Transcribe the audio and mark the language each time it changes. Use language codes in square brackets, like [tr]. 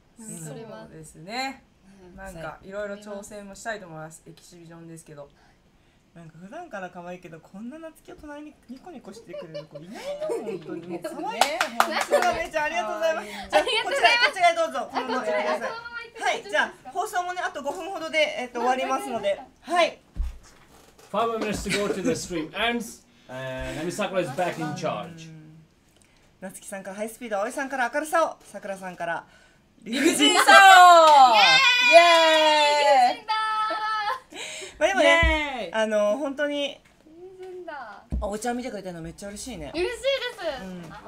[ja] うん、それはそうですね、なんかいろいろ挑戦もしたいと思います、エキシビジョンですけど。なんか普段から可愛いけど、こんな夏希を隣にニコニコしてくれる子いないの。本当にもう可愛い、ね、本当にめちゃありがとうございます。あ、じゃあこちらこちらへどうぞ。このままやりなさい。はい、じゃあ放送もね、あと5分ほどで、終わりますので、はい、 [en] 5 minutes to go to the stream ends and Namisakura is back in charge。 [ja] 夏希さんからハイスピード、葵さんから明るさを、さくらさんから理不尽さを。イエーイ、理不尽だ。まあでもね、本当に理不尽だ。葵ちゃん見てくれてるのめっちゃ嬉しいね。嬉しいです。